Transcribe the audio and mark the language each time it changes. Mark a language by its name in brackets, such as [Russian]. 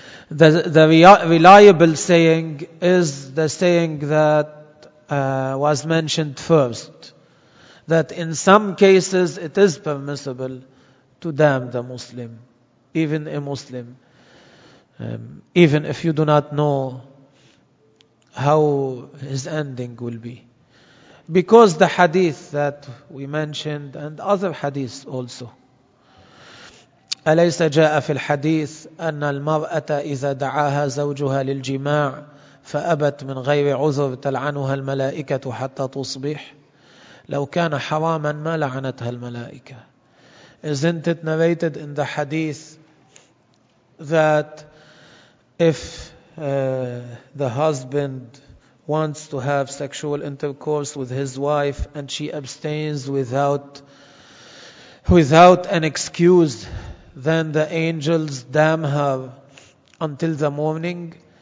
[English] The reliable saying is the saying that was mentioned first, that in some cases it is permissible to damn the Muslim, even a Muslim, even if you do not know how his ending will be. Because the hadith that we mentioned and other hadiths also, [Arabic] أليس جاء في الحديث أن المرأة إذا دعاها زوجها للجماع فأبت من غير عذر تلعنها الملائكة حتى تصبح لو كان حراما ما لعنتها الملائكة. [English] Isn't it narrated in the hadith that if the husband wants to have sexual intercourse with his wife and she abstains without an excuse, then the angels damn her until the morning?